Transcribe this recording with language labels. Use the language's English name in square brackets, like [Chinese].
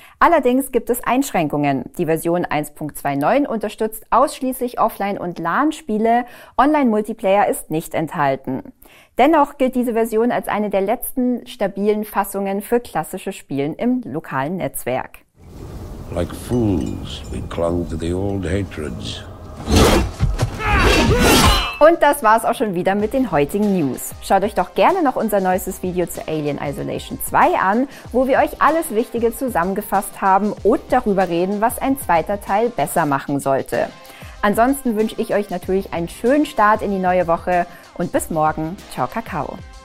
[German] Allerdings gibt es Einschränkungen. Die Version 1.29 unterstützt ausschließlich Offline- und LAN-Spiele. Online-Multiplayer ist nicht enthalten. Dennoch gilt diese Version als eine der letzten stabilen Fassungen für klassische Spiele im lokalen Netzwerk. [English] Like fools, we clung to the old hatreds. [German] Und das war's auch schon wieder mit den heutigen News. Schaut euch doch gerne noch unser neuestes Video zu Alien Isolation 2 an, wo wir euch alles Wichtige zusammengefasst haben und darüber reden, was ein zweiter Teil besser machen sollte. Ansonsten wünsche ich euch natürlich einen schönen Start in die neue Woche und bis morgen. Ciao, Kakao.